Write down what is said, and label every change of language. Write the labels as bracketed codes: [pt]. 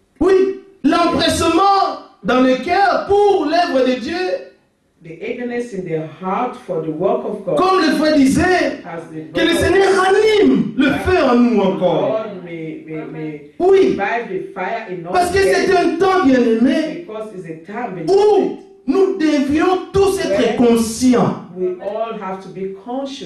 [fr] oui, l'empressement dans le cœur pour l'œuvre de Dieu. [en] The eagerness in their heart for the work of God. [fr] Comme le feu disait, que le Seigneur ranime le feu en nous encore. Oui. Parce que c'est un temps bien-aimé où nous devions tous être conscients. [en] We all have to be conscious.